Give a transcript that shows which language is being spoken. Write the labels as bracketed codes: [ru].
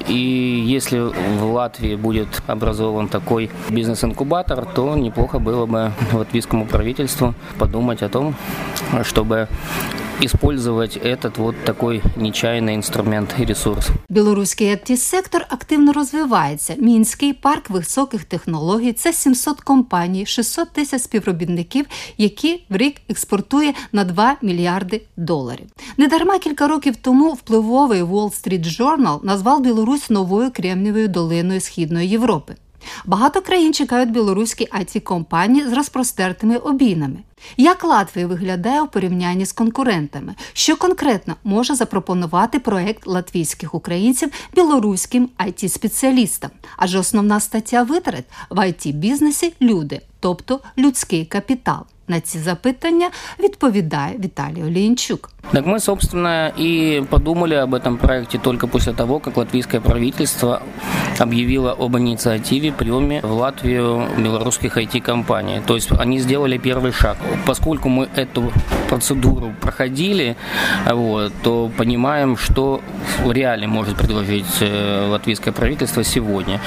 [ru] И если в Латвии будет образован такой бизнес-инкубатор, то неплохо было бы латвийскому правительству подумать о том, чтобы использовать этот вот такой нечаянный инструмент и ресурс. Белорусский IT-сектор активно развивается. [uk] Мінський парк високих технологій – це 700 компаній, 600 тисяч співробітників, які в рік експортує на 2 мільярди доларів. Недарма кілька років тому впливовий Wall Street Journal назвав Білорусь новою кремнієвою долиною Східної Європи. Багато країн чекають білоруські IT-компанії з розпростертими обіймами. Як Латвія виглядає у порівнянні з конкурентами? Що конкретно може запропонувати проєкт латвійських українців білоруським IT-спеціалістам? Адже основна стаття витрат в IT-бізнесі – люди, тобто людський капітал. На ці запитання відповідає Віталій Олійнчук. [ru] Так мы, собственно, и подумали об этом проекте только после того, как латвийское правительство объявило об инициативе приема в Латвию белорусских IT-компаний. То есть они сделали первый шаг. Поскольку мы эту процедуру проходили, то понимаем, что в реале может предложить латвийское правительство сегодня.